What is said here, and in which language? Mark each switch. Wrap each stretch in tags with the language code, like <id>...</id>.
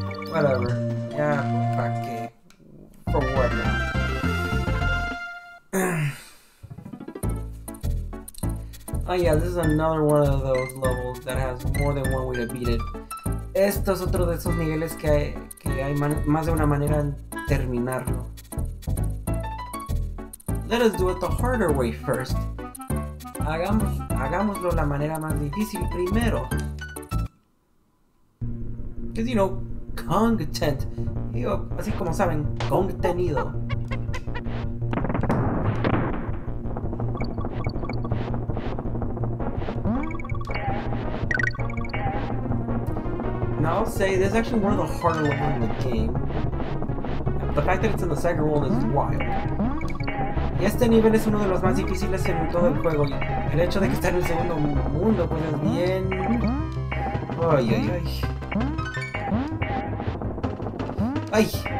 <en>Whatever. Yeah,</en> <es>pa' qué.</es> <en>For what now? Oh yeah, this is another one of those levels that has more than one way to beat it.</en> <es>Esto es otro de esos niveles que hay más de una manera en terminarlo.</es> <en>Let us do it the harder way first.</en> <es>Hagámoslo la manera más difícil primero.</es> <en>Because, you know, content.</en> <es>Yo, así como saben, KONGtinuado.</es> <en>Now I'll say this is actually one of the harder ones in the game. The fact that it's in the second world is wild.</en> <es>Y este nivel es uno de los más difíciles en todo el juego. Y el hecho de que está en el segundo mundo, pues es bien. Ay, ay, ay. Ay.</es>